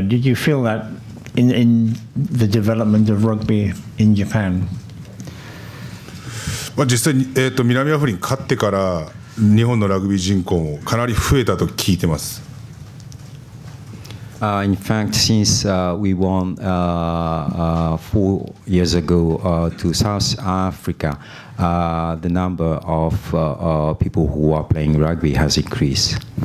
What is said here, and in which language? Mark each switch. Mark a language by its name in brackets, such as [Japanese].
[English] Did you feel that in the development of rugby in Japan? [Japanese] Well, 実際、南アフリカに勝ってから日本のラグビー人口もかなり増えたと聞いてます。 [English] In fact, since we won 4 years ago to South Africa, the number of people who are playing rugby has increased.